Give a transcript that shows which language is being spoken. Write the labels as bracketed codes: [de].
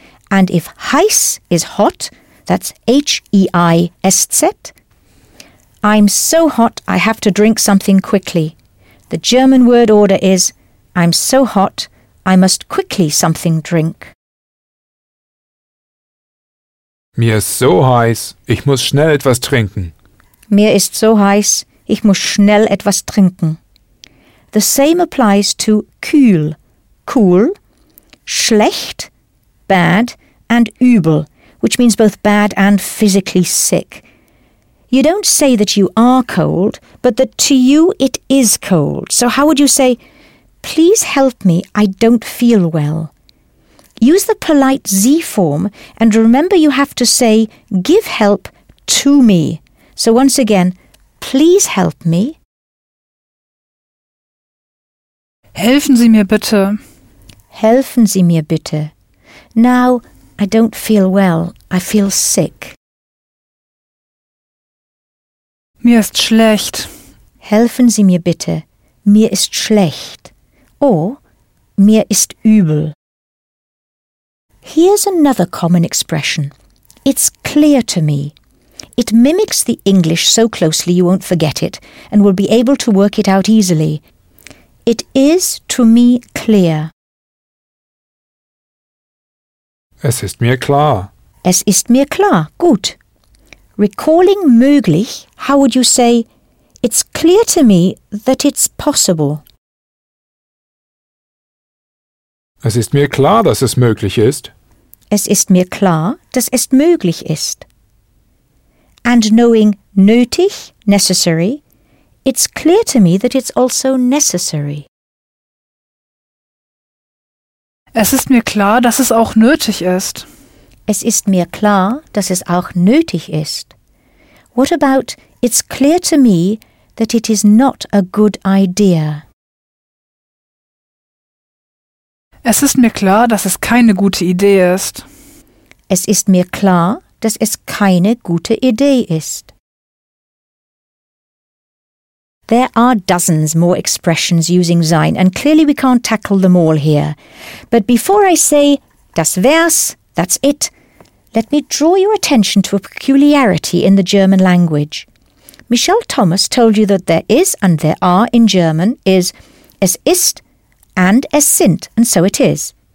[en] And if heiß is hot, that's H-E-I-S-Z, I'm so hot I have to drink something quickly. The German word order is, I'm so hot, I must quickly something drink. [de] Mir ist so heiß, ich muss schnell etwas trinken. Mir ist so heiß, ich muss schnell etwas trinken. [en] The same applies to kühl, cool, schlecht, bad, and übel, which means both bad and physically sick. You don't say that you are cold, but that to you it is cold. So how would you say, please help me, I don't feel well? Use the polite Z form, and remember you have to say, give help to me. So once again, please help me. [de] Helfen Sie mir bitte. Helfen Sie mir bitte. [en] Now, I don't feel well, I feel sick. [de] Mir ist schlecht. Helfen Sie mir bitte. Mir ist schlecht. [en] Or, [de] mir ist übel. [en] Here's another common expression. It's clear to me. It mimics the English so closely you won't forget it and will be able to work it out easily. It is to me clear. [de] Es ist mir klar. Es ist mir klar. Gut. [en] Recalling möglich, how would you say, it's clear to me that it's possible? [de] Es ist mir klar, dass es möglich ist. Es ist mir klar, dass es möglich ist. [en] And knowing nötig, necessary, it's clear to me that it's also necessary. [de] Es ist mir klar, dass es auch nötig ist. Es ist mir klar, dass es auch nötig ist. [en] What about it's clear to me that it is not a good idea? [de] Es ist mir klar, dass es keine gute Idee ist. Es ist mir klar, dass es keine gute Idee ist. [en] There are dozens more expressions using sein, and clearly we can't tackle them all here. But before I say, [de] das wär's, [en] that's it, let me draw your attention to a peculiarity in the German language. Michelle Thomas told you that there is and there are in German is [de] es ist [en] and [de] es sind, [en] and so it is.